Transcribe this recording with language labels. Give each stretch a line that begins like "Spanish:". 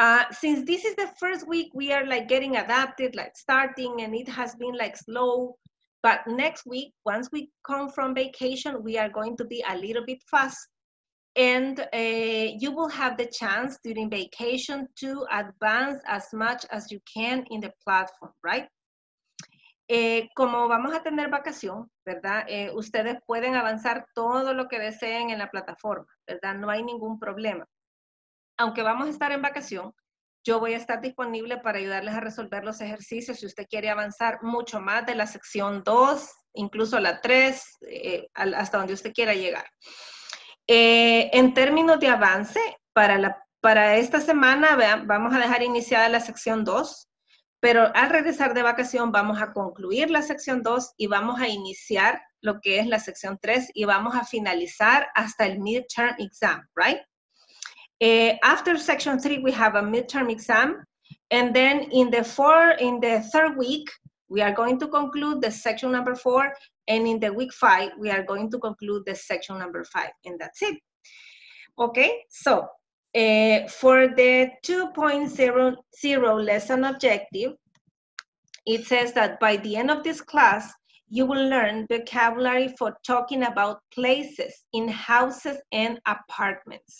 English: Since this is the first week, we are like getting adapted, like starting, and it has been like slow. But next week, once we come from vacation, we are going to be a little bit fast. And you will have the chance during vacation to advance as much as you can in the platform, right?
Spanish: Como vamos a tener vacación, ¿verdad? Ustedes pueden avanzar todo lo que deseen en la plataforma, ¿verdad? No hay ningún problema. Aunque vamos a estar en vacación, yo voy a estar disponible para ayudarles a resolver los ejercicios. Si usted quiere avanzar mucho más de la sección 2, incluso la 3, hasta donde usted quiera llegar. En términos de avance, para esta semana, vean, vamos a dejar iniciada la sección 2, pero al regresar de vacación vamos a concluir la sección 2 y vamos a iniciar lo que es la sección 3 y vamos a finalizar hasta el midterm exam,
English: right? After section 3, we have a midterm exam, and then in the third week, we are going to conclude the section number 4, and in the week 5, we are going to conclude the section number 5, and that's it. Okay, so for the 2.00 lesson objective, it says that by the end of this class, you will learn vocabulary for talking about places in houses and apartments.